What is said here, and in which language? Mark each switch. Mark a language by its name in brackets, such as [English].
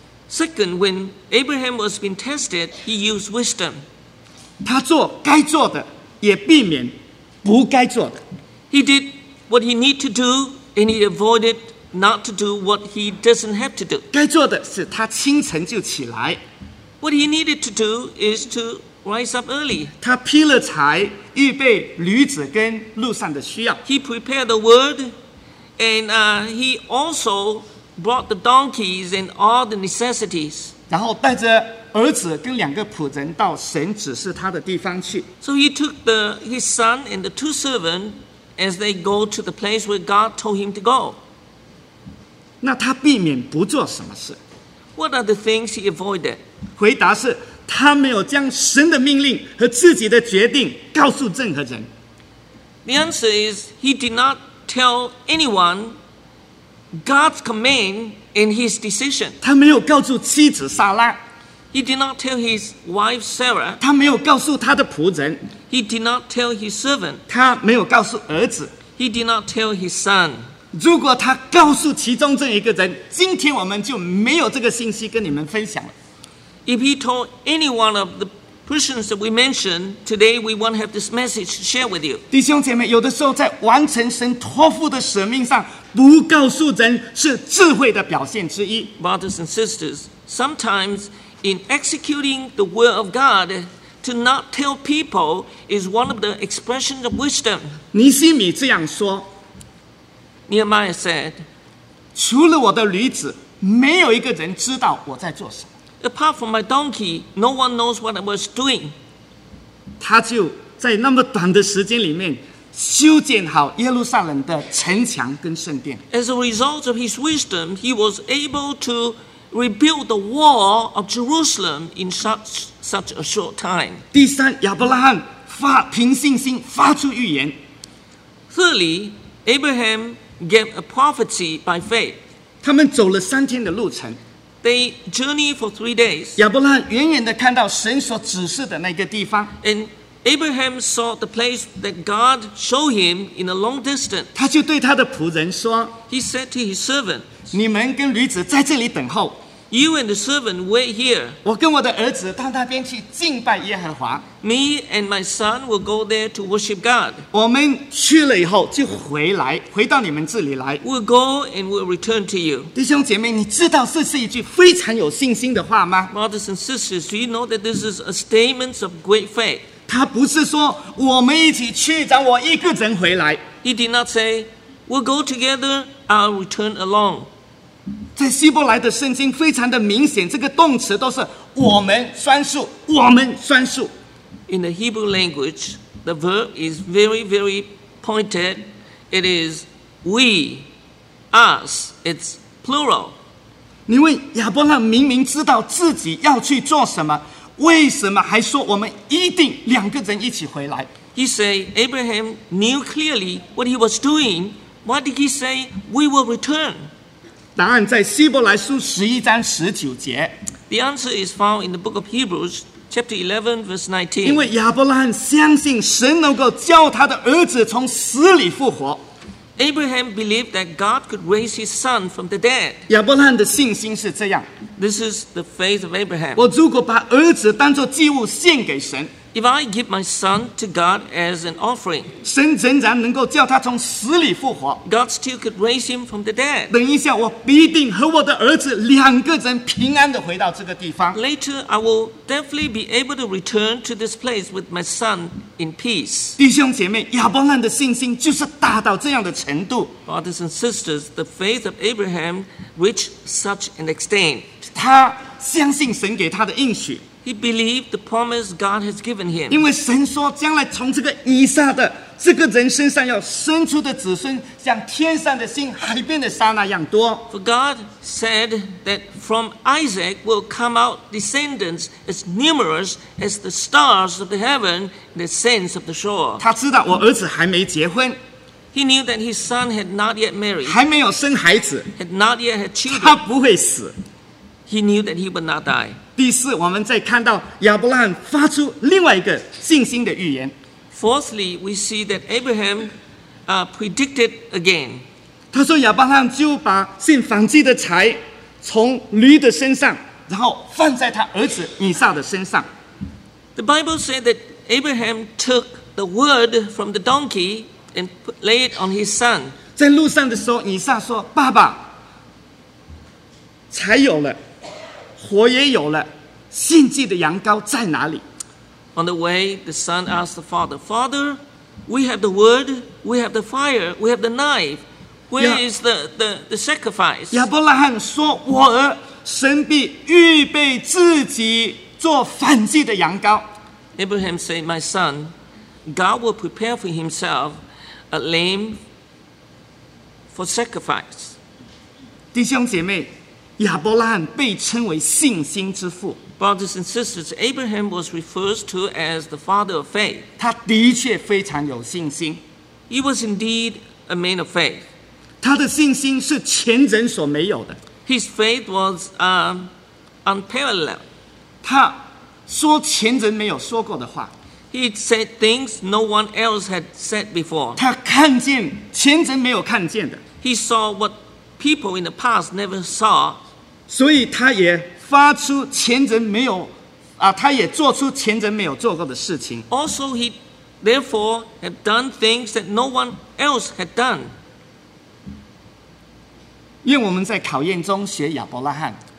[English] Second, when Abraham was being tested, he used wisdom. [Chinese] 他做该做的，也避免不该做的。 [English] He did what he need to do, and he avoided not to do what he doesn't have to do. [Chinese] 该做的是他清晨就起来。 [English] What he needed to do is to rise up early. [Chinese] 他劈了柴，预备驴子跟路上的需要。 [English] He prepared the wood, and he also brought the donkeys and all the necessities. [Chinese] 然后带着儿子跟两个仆人到神指示他的地方去。 [English] So he took his son and the two servants as they go to the place where God told him to go. [Chinese] 那他避免不做什么事？ [English] What are the things he avoided? [Chinese] 回答是，他没有将神的命令和自己的决定告诉任何人。 [English] The answer is he did not tell anyone God's command and his decision. [Chinese] 他没有告诉妻子撒拉。 [English] He did not tell his wife Sarah. [Chinese] 他没有告诉他的仆人。 [English] He did not tell his servant. [Chinese] 他没有告诉儿子。 [English] He did not tell his son. [Chinese] 如果他告诉其中这一个人，今天我们就没有这个信息跟你们分享了。 [English] If he told any one of the persons that we mentioned today, we won't have this message to share with you. [Chinese] 弟兄姐妹，有的时候在完成神托付的使命上，不告诉人是智慧的表现之一。 [English] Brothers and sisters, sometimes. In executing the will of God, to not tell people is one of the expressions of wisdom. [Chinese] 尼希米这样说。 [English] Nehemiah said, [Chinese] 除了我的驴子，没有一个人知道我在做什么。 [English] Apart from my donkey, no one knows what I was doing. [Chinese] 他就在那么短的时间里面修建好耶路撒冷的城墙跟圣殿。 [English] As a result of his wisdom, he was able to. Rebuild the wall of Jerusalem in such a short time. [Chinese] 第三，亚伯拉罕发凭信心发出预言。 [English] Thirdly, Abraham gave a prophecy by faith. [Chinese] 他们走了三天的路程。 [English] They journeyed for 3 days. [Chinese] 亚伯拉罕远远地看到神所指示的那个地方。 [English] And Abraham saw the place that God showed him in a long distance. [Chinese] 他就对他的仆人说。 [English] He said to his servant. [Chinese] 你们跟驴子在这里等候。 [English] You and the servant wait here. [Chinese] 我跟我的儿子到那边去敬拜耶和华。 [English] Me and my son will go there to worship God. [Chinese] 我们去了以后就回来，回到你们这里来。 [English] We'll go and we'll return to you. [Chinese] 弟兄姐妹，你知道这是一句非常有信心的话吗 [English] ？Brothers and sisters, do you know that this is a statement of great faith? [Chinese] 他不是说我们一起去，找我一个人回来。 [English] He did not say. We'll go together, I'll return alone. [Chinese] 在希伯来的圣经非常的明显，这个动词都是我们双数，我们双数。 [English] In the Hebrew language, the verb is very, very pointed. It is we, us, it's plural. [Chinese] 你问亚伯拉明明知道自己要去做什么，为什么还说我们一定两个人一起回来？ [English] He said Abraham knew clearly what he was doing. Why did he say we will return? [Chinese] 答案在希伯来书十一章十九节。 [English] The answer is found in the book of Hebrews, chapter 11, verse 19. [Chinese] 因为亚伯拉罕相信神能够叫他的儿子从死里复活。 [English] Abraham believed that God could raise his son from the dead. [Chinese] 亚伯拉罕的信心是这样。 [English] This is the faith of Abraham. [Chinese] 我如果把儿子当作祭物献给神。 [English] If I give my son to God as an offering, [Chinese] 神仍然能够叫他从死里复活。 [English] God still could raise him from the dead. [Chinese] 等一下，我必定和我的儿子两个人平安地回到这个地方。 [English] Later, I will definitely be able to return to this place with my son in peace. [Chinese] 弟兄姐妹，亚伯拉罕的信心就是大到这样的程度。 [English] Brothers and sisters, the faith of Abraham reached such an extent. [Chinese] 他相信神给他的应许。 [English] He believed the promise God has given him. [Chinese] 因为神说，将来从这个以撒的这个人身上要生出的子孙，像天上的星、海边的沙那样多。 [English] For God said that from Isaac will come out descendants as numerous as the stars of the heaven, the sands of the shore. [Chinese] 他知道我儿子还没结婚。 [English] He knew that his son had not yet married. [Chinese] 还没有生孩子。 [English] Had not yet had children. [Chinese] 他不会死。 [English] He knew that he would not die. [Chinese] 第四，我们再看到亚伯拉罕发出另外一个信心的预言。 [English] Fourthly, we see that Abraham predicted again. [Chinese] 他说亚伯拉罕就把献燔祭的柴从驴的身上，然后放在他儿子以撒的身上。 [English] The Bible said that Abraham took the word from the donkey and lay it on his son. [Chinese] 在路上的时候，以撒说：“爸爸，柴有了，火也有了，献祭的羊羔在哪里？” [English] On the way, the son asked the father, "Father, we have the wood, we have the fire, we have the knife. Where is the sacrifice?" [Chinese] 亚伯拉罕说：“我儿，神必预备自己做燔祭的羊羔。” [English] Abraham said, "My son, God will prepare for Himself a lamb for sacrifice." [Chinese] 弟兄姐妹，亚伯拉罕被称为信心之父。 [English] Brothers and sisters, Abraham was referred to as the father of faith. [Chinese] 他的确非常有信心。 [English] He was indeed a man of faith. [Chinese] 他的信心是前人所没有的。 [English] His faith was unparalleled. [Chinese] 他说前人没有说过的话。 [English] He said things no one else had said before. [Chinese] 他看见前人没有看见的。 [English] He saw what people in the past never saw. [Chinese] 所以他也发出前人没有他也做出前人没有做过的事情。 [English] Also, he therefore had done things that no one else had done. [Chinese] 愿我们在考验中学亚伯拉罕。